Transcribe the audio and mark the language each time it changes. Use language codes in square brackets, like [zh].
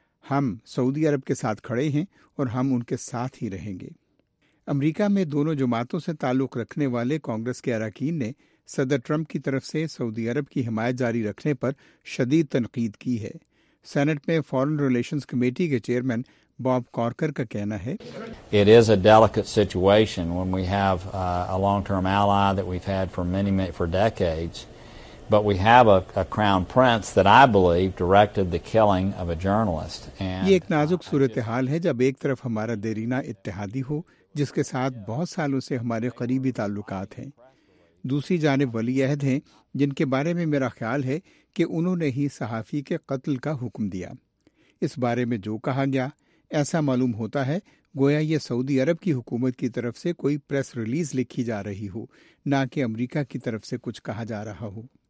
[ur] ہم سعودی عرب کے ساتھ کھڑے ہیں اور ہم ان کے ساتھ ہی رہیں گے. امریکہ میں دونوں جماعتوں سے تعلق رکھنے والے کانگریس کے اراکین نے صدر ٹرمپ کی طرف سے سعودی عرب کی حمایت جاری رکھنے پر شدید تنقید کی ہے. سینٹ میں فارن ریلیشنز کمیٹی کے چیئرمین باب کارکر کا کہنا ہے, [en] It is a delicate situation when we have a long-term ally that we've had for many, many for decades, but we have a crown prince that I believe directed the killing of a journalist. [ur] یہ ایک نازک صورتحال ہے جب ایک طرف ہمارا دیرینہ اتحادی ہو جس کے ساتھ بہت سالوں سے ہمارے قریبی تعلقات ہیں, دوسری جانب ولی عہد ہیں جن کے بارے میں میرا خیال ہے کہ انہوں نے ہی صحافی کے قتل کا حکم دیا. اس بارے میں جو کہا گیا ایسا معلوم ہوتا ہے گویا یہ سعودی عرب کی حکومت کی طرف سے کوئی پریس ریلیز لکھی جا رہی ہو, نہ کہ امریکہ کی طرف سے کچھ کہا جا رہا ہو.